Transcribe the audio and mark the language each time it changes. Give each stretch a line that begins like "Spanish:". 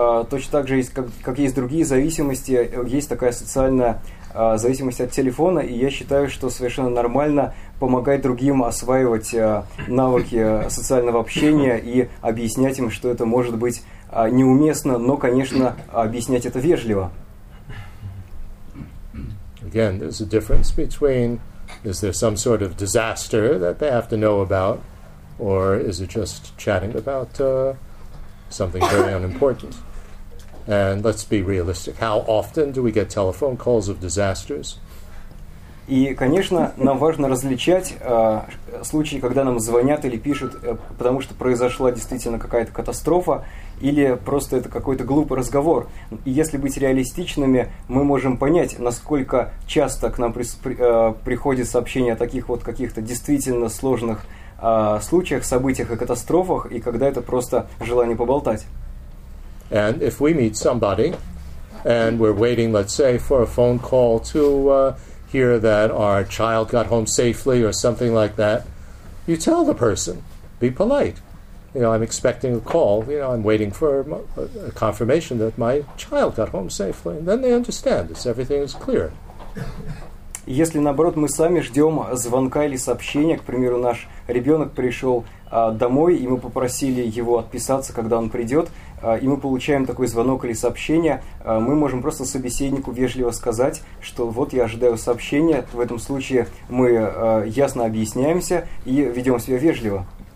Russian: Точно так же, как есть другие зависимости, есть такая социальная зависимость от телефона, и я считаю, что совершенно нормально помогать другим осваивать навыки социального общения и объяснять им, что это может быть неуместно, но, конечно, объяснять это вежливо.
English: Again, there's a difference between is there some sort of disaster that they have to know about, or is it just chatting about something very unimportant? And let's be realistic. How often do we get telephone calls of disasters?
Russian: И, конечно, нам важно различать случаи, когда нам звонят или пишут, потому что произошла действительно какая-то катастрофа, или просто это какой-то глупый разговор. И если быть реалистичными, мы можем понять, насколько часто к нам приходит сообщение о таких вот каких-то действительно сложных случаях, событиях и катастрофах, и когда это просто желание поболтать.
English: And if we meet somebody, and we're waiting, let's say, for a phone call to... hear that our child got home safely or something like that, you tell the person, be polite. You know, I'm expecting a call, you know, I'm waiting for a confirmation that my child got home safely. And then they understand, this, everything is clear.
Russian: Если, наоборот, мы сами ждем звонка или сообщения, к примеру, наш ребенок пришел домой, и мы попросили его отписаться, когда он придет, и мы получаем такой звонок или сообщение, мы можем просто собеседнику вежливо сказать, что вот я ожидаю сообщения, в этом случае мы ясно объясняемся и ведем себя вежливо.